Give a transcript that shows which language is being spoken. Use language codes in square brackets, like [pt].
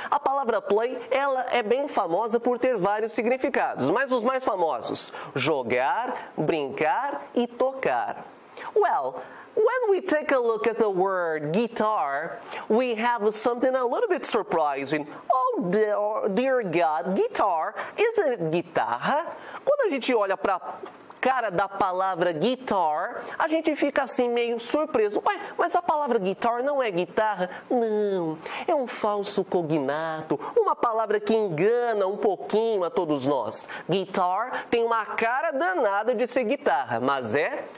[pt] A palavra play, ela é bem famosa por ter vários significados, mas os mais famosos, jogar, brincar e tocar. [en] Well, when we take a look at the word guitar, we have something a little bit surprising. Oh, dear God, guitar, isn't it guitarra? [pt] Quando a gente olha para a cara da palavra guitar, a gente fica assim meio surpreso. Ué, mas a palavra guitar não é guitarra? Não, é um falso cognato, uma palavra que engana um pouquinho a todos nós. Guitar tem uma cara danada de ser guitarra, mas é